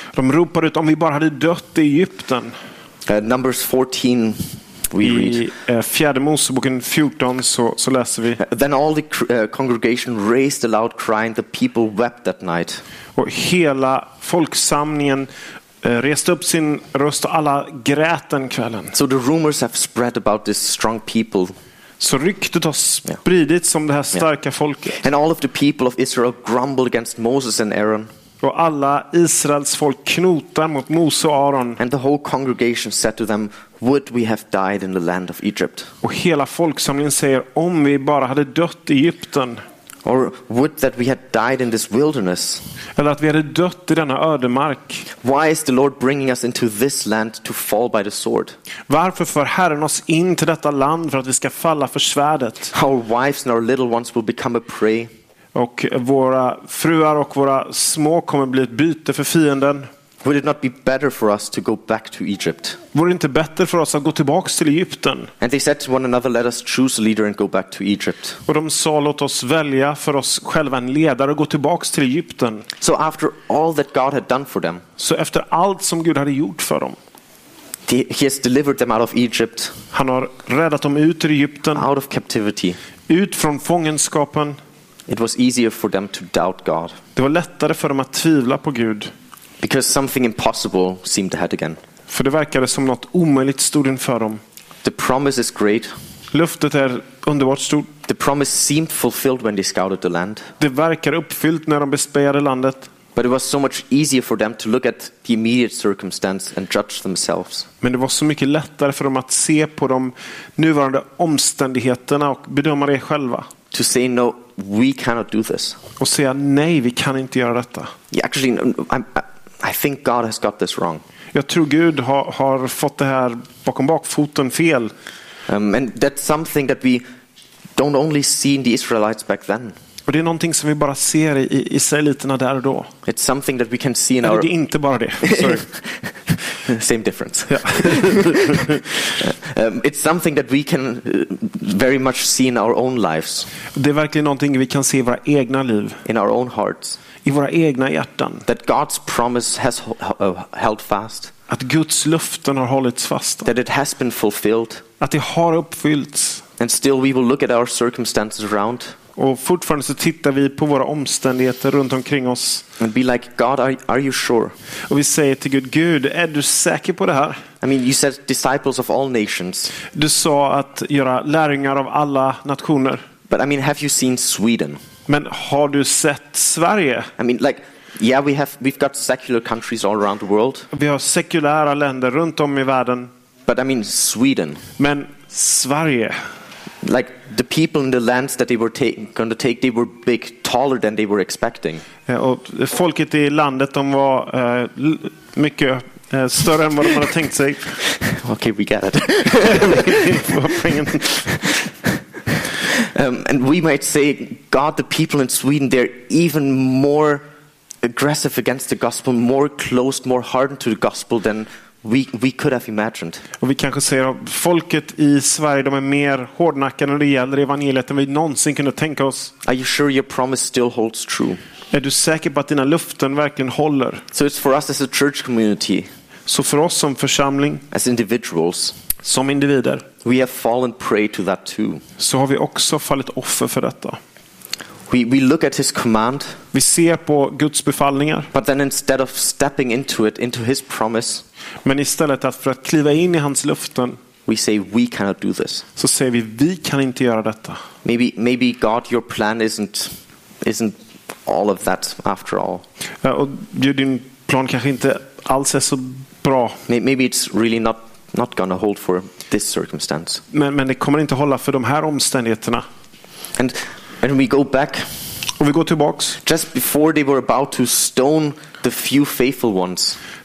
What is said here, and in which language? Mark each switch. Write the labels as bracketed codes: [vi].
[sv] De ropar ut om vi bara hade dött i Egypten. [en] Numbers 14 we read. [sv] I fjärde Moseboken 14 så läser vi. [en] Then all the congregation raised a loud cry and the people wept that night. [sv] Och hela folksamlingen reste upp sin röst och alla grät den kvällen. [en] So the rumors have spread about this strong people. [sv] Så ryktet har spridits om det här starka folket. [en] And all of the people of Israel grumbled against Moses and Aaron. [sv] Och alla Israels folk knotar mot Mose och Aaron. [en] And the whole congregation said to them, would we have died in the land of Egypt? [sv] Och hela folksamlingen säger, om vi bara hade dött i Egypten. [en] Or would that we had died in this wilderness? [sv] Eller att vi hade dött i denna ödemark. [en] Why is the Lord bringing us into this land to fall by the sword? [sv] Varför för Herren oss in till detta land för att vi ska falla för svärdet? [en] Our wives and our little ones will become a prey. [sv] Och våra fruar och våra små kommer bli ett byte för fienden. [en] Would it not be better for us to go back to Egypt? [sv] Vore det inte bättre för oss att gå tillbaka till Egypten? [en] And they said to one another, let us choose a leader and go back to Egypt. [sv] Och de sa, låt oss välja för oss själva en ledare och gå tillbaka till Egypten. [en] So after all that God had done for them. [sv] Så efter allt som Gud hade gjort för dem. [en] He has delivered them out of Egypt. [sv] Han har räddat dem ut ur Egypten. [en] Out of captivity. [sv] Ut från fångenskapen. [en] It was easier for them to doubt God. [sv] Det var lättare för dem att tvivla på Gud. [en] Because something impossible seemed ahead again. [sv] För det verkade som något omöjligt stod inför dem. [en] The promise is great. [sv] Löftet är underbart stort. [en] The promise seemed fulfilled when they scouted the land. [sv] Det verkade uppfyllt när de bespejade landet. [en] But it was so much easier for them to look at the immediate circumstance and judge themselves. [sv] Men det var så mycket lättare för dem att se på de nuvarande omständigheterna och bedöma det själva. [en] To say no, we cannot do this. [sv] Och säga nej, vi kan inte göra detta. [en] Yeah, actually, I think God has got this wrong. [sv] Jag tror Gud har fått det här bakom bakfoten fel. [en] And that's something that we don't only see in the Israelites back then. [sv] Och det är någonting som vi bara ser i israeliterna där och då. [en] It's something that we can see in our. [sv] Det är inte bara det. Sorry. [en] Same difference. Yeah. It's something that we can very much see in our own lives. [sv] Det är verkligen någonting vi kan se i våra egna liv. [en] In our own hearts. [sv] I våra egna hjärtan. [en] That God's promise has held fast. [sv] Att Guds löften har hållits fast. [en] That it has been fulfilled. [sv] Att det har uppfyllts. [en] And still we will look at our circumstances around. [sv] Och fortfarande så tittar vi på våra omständigheter runt omkring oss. [en] And be like, God, are you sure? [sv] Och vi säger till Gud, Gud, är du säker på det här? [en] I mean, you said disciples of all nations. [sv] Du sa att göra lärjungar av alla nationer. [en] But I mean, have you seen Sweden? [sv] Men har du sett Sverige? [en] I mean, like, yeah, we've got secular countries all around the world. [sv] Vi har sekulära länder runt om i världen. [en] But I mean, Sweden. [sv] Men Sverige. [en] Like the people in the lands that they were going to take, they were big, taller than they were expecting. [sv] Ja, och folket i landet, de var mycket större än vad de hade tänkt sig. [en] Okay, we get it. and we might say, God, the people in Sweden, they're even more aggressive against the gospel, more closed, more hardened to the gospel than we could have imagined. [sv] Och vi kanske säger att folket i Sverige, de är mer hårdnackade när det gäller evangeliet än vi någonsin kunde tänka oss. [en] Are you sure your promise still holds true? [sv] Är du säker på att dina löften verkligen håller? [en] So it's for us as a church community. [sv] Så för oss som församling. [en] As individuals. [sv] Som individer. [en] We have fallen prey to that too. [sv] Så har vi också fallit offer för detta. [en] We look at his command. [sv] Vi ser på Guds befallningar. [en] But then instead of stepping into it, into his promise. [sv] Men istället för att kliva in i hans löften. [en] We say we cannot do this. [sv] Så säger vi kan inte göra detta. [en] Maybe God, your plan isn't all of that after all. [sv] Och din plan kanske inte alls är så bra. [en] Maybe it's really not going to hold for this circumstance. [sv] Men det kommer inte hålla för de här omständigheterna. [en] And we go back. [sv] Och vi går tillbaks. [en] Just before they were about to stone the few faithful ones.